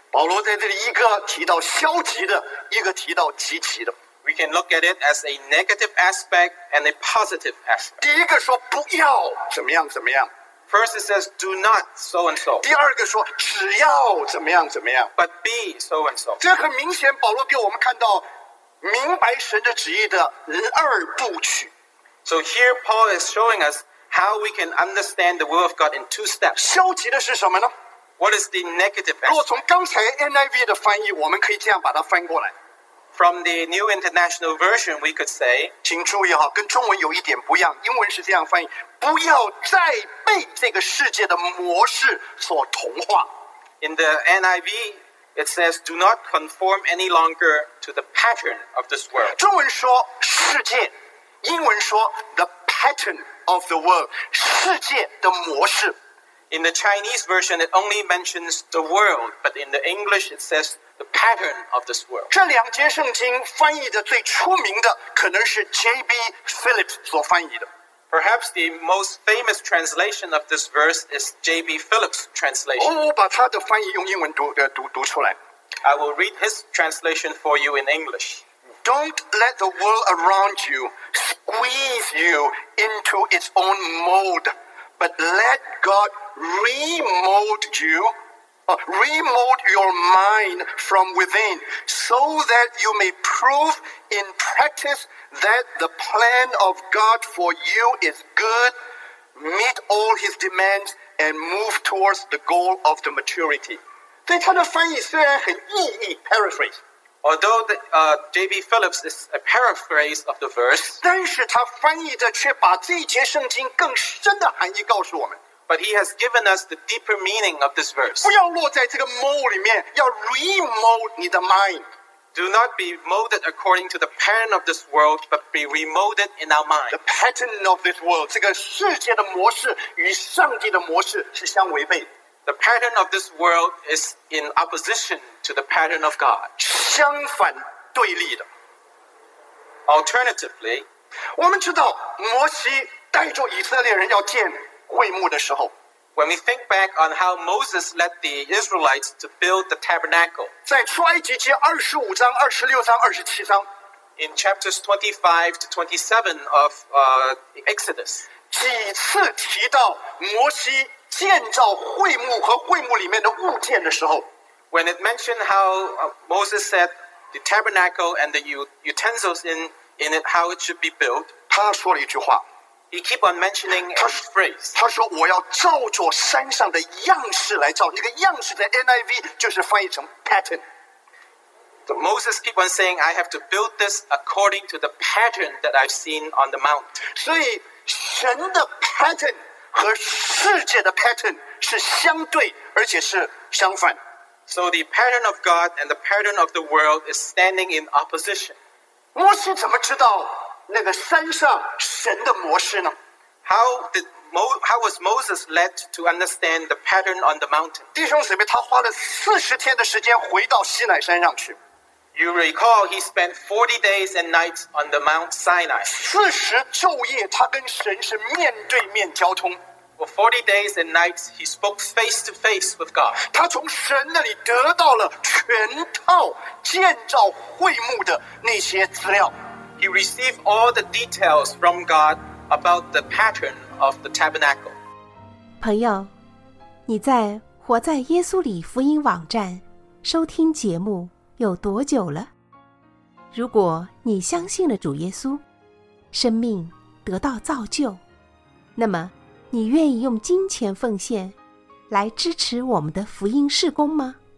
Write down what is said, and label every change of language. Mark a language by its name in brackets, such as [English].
[Chinese] 保罗在这里一个提到消极的，一个提到积极的。 [English] We can look at it as a negative aspect and a positive aspect. [Chinese] 第一个说不要怎么样怎么样。 [English] First it says, do not so and so. [Chinese] 第二个说只要怎么样怎么样。 [English] But be so and so. [Chinese] 这很明显保罗给我们看到明白神的旨意的二部曲。 [English] So here Paul is showing us how we can understand the will of God in two steps. [Chinese] 消极的是什么呢？ [English] What is the negative [Chinese] aspect? 如果从刚才 NIV 的翻译，我们可以这样把它翻过来。 [English] From the New International Version, we could say, [Chinese] 请注意哈，跟中文有一点不一样。英文是这样翻译：不要再被这个世界的模式所同化。 [English] In the NIV, it says, "Do not conform any longer to the pattern of this world." [Chinese] 中文说世界，英文说 [English] the pattern of the world， [Chinese] 世界的模式。 [English] In the Chinese version, it only mentions the world, but in the English, it says. The pattern of this world. [Chinese] 这两节圣经翻译的最出名的可能是 J.B. Phillips 所翻译的。 [English] Perhaps the most famous translation of this verse is J.B. Phillips' translation. [Chinese] 我把他的翻译用英文 读出来。 [English] I will read his translation for you in English. Don't let the world around you squeeze you into its own mold, but let God remold you. Remold your mind from within so that you may prove in practice that the plan of God for you is good, meet all his demands, and move towards the goal of the maturity. [Chinese] 对他的翻译虽然很意义 paraphrase. [English] Although J.B. Phillips is a paraphrase of the verse, [Chinese] 但是他翻译的却把这一节圣经更深的含义告诉我们。 [English] But he has given us the deeper meaning of this verse. [Chinese] 不要落在这个 mold 里面，要 remold 你的 mind. [English] Do not be molded according to the pattern of this world, but be remolded in our mind. The pattern of this world, [Chinese] 这个世界的模式与上帝的模式是相违背。 [English] The pattern of this world is in opposition to the pattern of God. [Chinese] 相反对立的。 [English] Alternatively, [Chinese] 我们知道摩西带着以色列人要建会幕的时候 [English] When we think back on how Moses led the Israelites to build the tabernacle, [Chinese] 在出埃及记二十五章、二十六章、二十七章 [English] in chapters 25 to 27 of Exodus, [Chinese] 几次提到摩西建造会幕和会幕里面的物件的时候 [English] when it mentioned how Moses set the tabernacle and the utensils in it, how it should be built, [Chinese] 他说了一句话。 [English] He keep on mentioning a phrase. [Chinese] 他说我要照着山上的样式来造。那个样式的 NIV 就是翻译成 pattern. [English] So Moses keep on saying, I have to build this according to the pattern that I've seen on the mount. [Chinese] 所以神的 pattern 和世界的 pattern 是相对而且是相反。 [English] So the pattern of God and the pattern of the world is standing in opposition. [Chinese] 摩西怎么知道那个山上神的模式呢？ [English] How was Moses led to understand the pattern on the mountain? [Chinese] 弟兄姊妹，他花了40天的时间回到西乃山上去。 [English] You recall he spent 40 days and nights on the Mount Sinai. [Chinese] 40昼夜他跟神是面对面交通。 [English] For 40 days and nights, he spoke face to face with God. [Chinese] 他从神那里得到了全套建造会幕的那些资料。 [English] He received all the details from God about the pattern of the tabernacle. [Chinese] 朋友，你在活在耶稣里福音网站收听节目有多久了？如果你相信了主耶稣，生命得到造就，那么你愿意用金钱奉献来支持我们的福音事工吗？